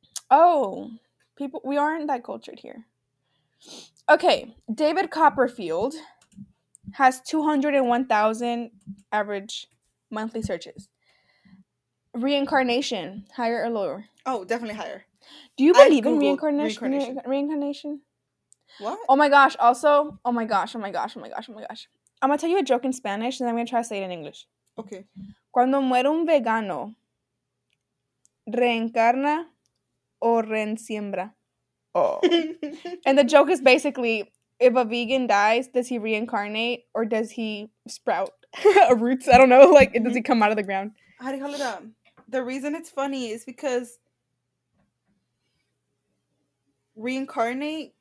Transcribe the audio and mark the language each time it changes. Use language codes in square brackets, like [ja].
[en] Oh, people, we aren't that cultured here. Okay, David Copperfield has 201,000 average monthly searches. Reincarnation, higher or lower? Oh, definitely higher. Do you believe in reincarnation? Reincarnation. What? Oh my gosh, also, oh my gosh, oh my gosh, oh my gosh, oh my gosh. I'm going to tell you a joke in Spanish and then I'm going to try to say it in English. Okay. [es] Cuando muere un vegano, reencarna o reensiembra. [en] Oh. And the joke is basically, if a vegan dies, does he reincarnate or does he sprout roots? I don't know, like, does he come out of the ground? How do you call it up? The reason it's funny is because reincarnate